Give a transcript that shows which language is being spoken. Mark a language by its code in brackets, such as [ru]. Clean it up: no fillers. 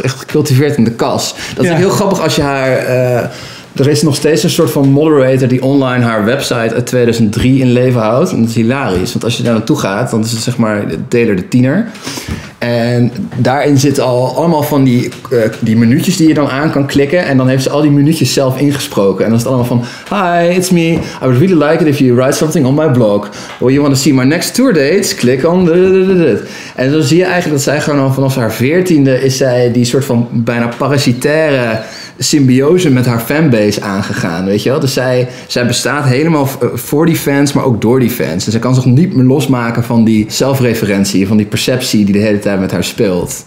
[nl] Echt gecultiveerd in de kas. Dat is heel grappig als je haar... Er is nog steeds een soort van moderator die online haar website uit 2003 in leven houdt. En dat is hilarisch. Want als je daar naartoe gaat, dan is het zeg maar Taylor de tiener. En daarin zitten al allemaal van die minuutjes die je dan aan kan klikken. En dan heeft ze al die minuutjes zelf ingesproken. En dan is het allemaal van, [en] hi, it's me. I would really like it if you write something on my blog. Or you want to see my next tour dates? Click on... [nl] En dan zie je eigenlijk dat zij gewoon al vanaf haar 14e is zij die soort van bijna parasitaire... symbiose met haar fanbase aangegaan, weet je wel? Dus zij bestaat helemaal voor die fans, maar ook door die fans. En zij kan zich niet meer losmaken van die zelfreferentie, van die perceptie die de hele tijd met haar speelt.